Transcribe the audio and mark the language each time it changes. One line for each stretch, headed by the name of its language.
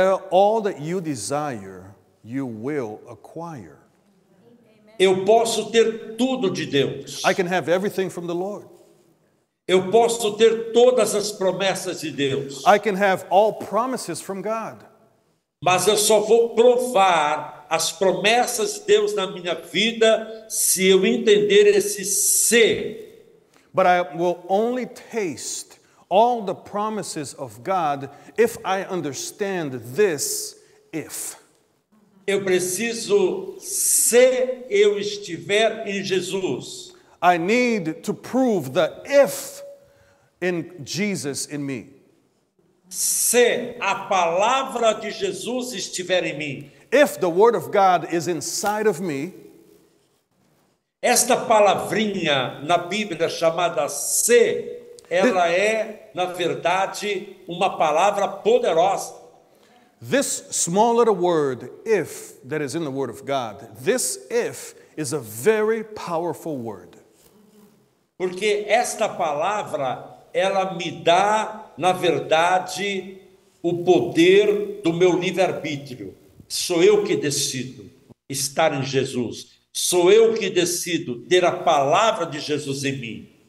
English: All that you desire, you will acquire.
Portuguese: Eu posso ter tudo de Deus.
English: I can have everything from the Lord.
Portuguese: Eu posso ter todas as promessas de Deus.
English: I can have all promises from God.
Portuguese: Mas eu só vou provar as promessas de Deus na minha vida se eu entender esse ser.
English: But I will only taste all the promises of God if I understand this if.
Portuguese: Eu preciso, se eu estiver em Jesus.
English: I need to prove the if in Jesus in me.
Portuguese: Se a palavra de Jesus estiver em mim.
English: If the word of God is inside of me.
Portuguese: Esta palavrinha na Bíblia chamada se, ela é, na verdade, uma palavra poderosa.
English: This small little word, if, that is in the word of God, this if is a very powerful word.
Portuguese: Porque esta palavra, ela me dá, na verdade, o poder do meu livre-arbítrio. Sou eu que decido estar em Jesus. Sou eu que decido ter a palavra de Jesus em mim.